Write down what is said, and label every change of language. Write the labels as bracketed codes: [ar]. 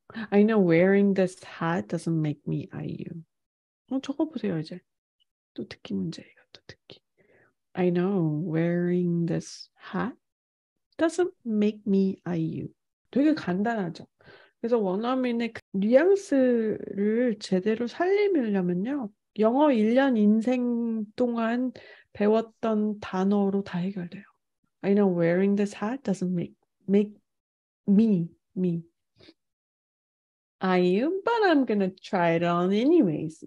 [en] I know wearing this hat doesn't make me IU. [ko] 적어보세요, 이제. 또 듣기 문제예요, 또 듣기. [en] I know wearing this hat doesn't make me IU. [ko] 되게 간단하죠. 그래서 원어민의 그 뉘앙스를 제대로 살리려면요. 영어 1년 인생 동안 배웠던 단어로 다 해결돼요. [en] I know wearing this hat doesn't make me. I am, but I'm gonna try it on anyways.